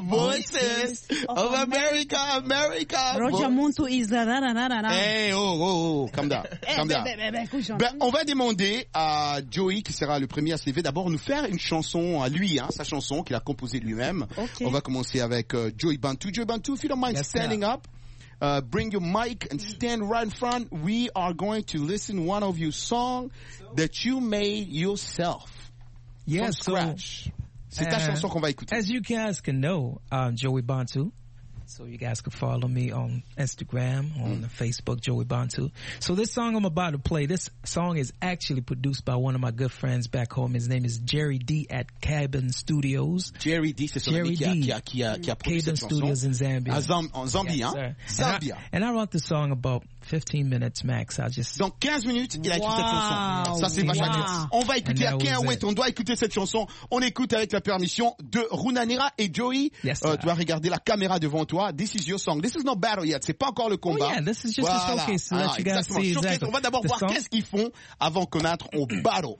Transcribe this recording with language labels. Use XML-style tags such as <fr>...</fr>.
<en>Voices of America, America. Roger Montu is da da da da da. Hey, oh, oh, oh, calm down, calm down.</en> <fr>Ben, on va demander à Joey, qui sera le premier à se lever, d'abord nous faire une chanson à lui, hein, sa chanson qu'il a composée lui-même.</fr> <en>Okay.</en> <fr>On va commencer avec Joey Bantu.</fr> <en>Joey Bantu, if you don't mind standing up, bring your mic and stand right in front. We are going to listen to one of your songs that you made yourself. Yes, from scratch. So,</en> <fr>c'est ta chanson qu'on va écouter.</fr> <en>As you guys can know, I'm Joey Bantu. So you guys can follow me on Instagram, on Facebook, Joey Bantu. So this song I'm about to play, this song is actually produced by one of my good friends back home. His name is Jerry D at Cabin Studios.</en> <fr>Jerry D, c'est Jerry D. qui a</fr> <en>produced Cabin Studios in Zambia.</en> <fr>En Zambie,</fr> <en>yeah,</en> <fr>hein?</fr> <en>Sir. Zambia. And I wrote the song about 15 minutes max. I just...</en> <fr>Donc 15 minutes, il a écouté cette chanson. Ça, c'est vachement bien. On va écouter, on doit écouter cette chanson. On écoute avec la permission de Runa Nera et Joey.</fr> <en>Yes,</en> <fr>tu vas regarder la caméra devant toi.</fr> <en>This is your song. This is not battle yet.</en> <fr>C'est pas encore le combat.</fr> <en>Oh, yeah, this is just a showcase. So let you guys</en> <fr>exactement.</fr> <en>See exactly.</en> <fr>On va d'abord voir qu'est-ce qu'ils font avant qu'on entre au battle.</fr>